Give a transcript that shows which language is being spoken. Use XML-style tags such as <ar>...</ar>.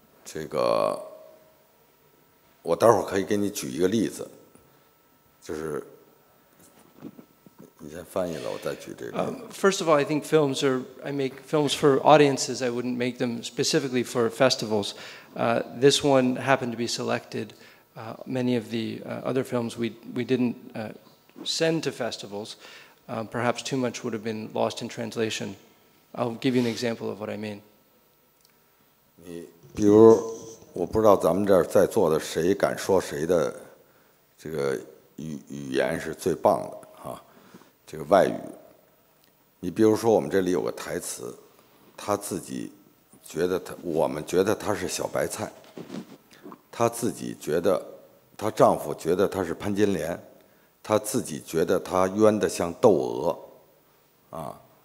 <zh>这个我待会儿可以给你举一个例子，就是你先翻译了我再举这个。</zh> <en>First of all, I make films for audiences. I wouldn't make them specifically for festivals. This one happened to be selected. Many of the other films we didn't send to festivals. Perhaps too much would have been lost in translation. I'll give you an example of what I mean.</en> <zh>你比如我不知道咱们这儿在座的谁敢说谁的这个语言是最棒的啊，这个外语。你比如说我们这里有个台词，他自己觉得我们觉得他是小白菜，他自己觉得他丈夫觉得他是潘金莲，他自己觉得他冤得像窦娥啊。</zh>